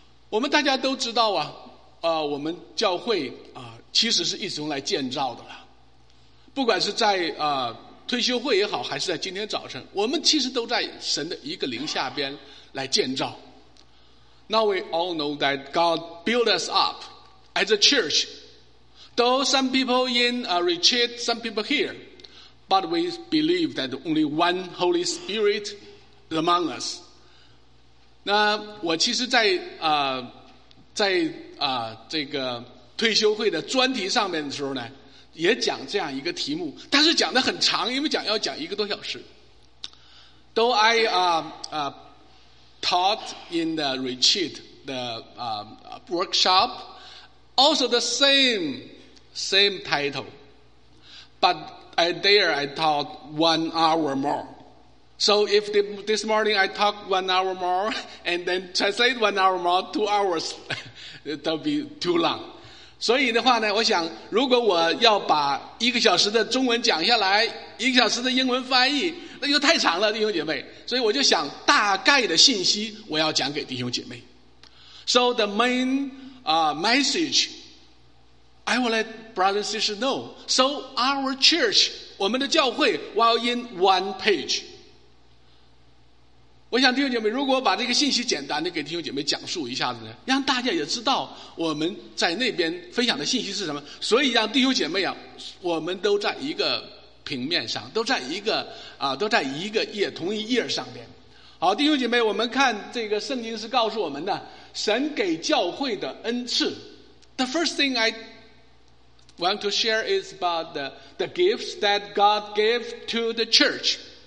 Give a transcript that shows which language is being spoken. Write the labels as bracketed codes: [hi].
[zh] 我们大家都知道我们教会其实是一直用来建造的了。不管是在退休会也好，还是在今天早晨，我们其实都在神的一个灵下边来建造。 [en] Now we all know that God built us up as a church. Though some people in a retreat, some people here. But we believe that only one Holy Spirit is among us. [zh] 那我其实在这个退休会的专题上面的时候呢，也讲这样一个题目，但是讲得很长，因为要讲一个多小时。 [en] Though I taught in the retreat, the workshop, also the same title, but. There I talk 1 hour more. So if this morning I talk 1 hour more and then translate 1 hour more, 2 hours, that'll be too long. [zh] 所以的话呢，我想如果我要把一个小时的中文讲下来，一个小时的英文翻译，那就太长了，弟兄姐妹。所以我就想大概的信息我要讲给弟兄姐妹。 [en] So the main message I will let brothers and sisters know. So our church, [zh] 我们的教会 [en] while in one page. [zh] 我想弟兄姐妹，如果把这个信息简单的给弟兄姐妹讲述一下子呢，让大家也知道我们在那边分享的信息是什么，所以让弟兄姐妹啊，我们都在一个平面上，都在一个都在一个页，同一页上边。好，弟兄姐妹，我们看这个圣经是告诉我们的神给教会的恩赐。 [en] The first thing I want to share is about the gifts that God gave to the church.